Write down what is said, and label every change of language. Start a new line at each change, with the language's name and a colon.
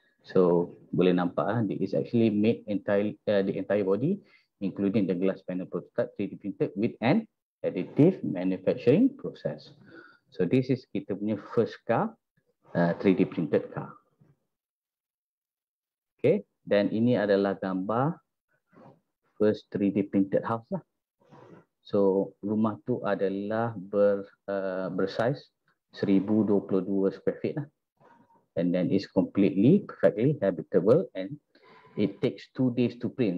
English: So
Malay: boleh nampak kan,
English: it is actually made entirely the entire body including the glass panel prototype 3D printed with an additive manufacturing process. So this is
Malay: kita punya
English: first car, 3D printed car.
Malay: Okay, dan ini adalah gambar
English: first 3D printed house
Malay: lah. So rumah tu adalah bersaiz 1022 square feet lah.
English: And then it's completely perfectly habitable and it takes 2 days to print.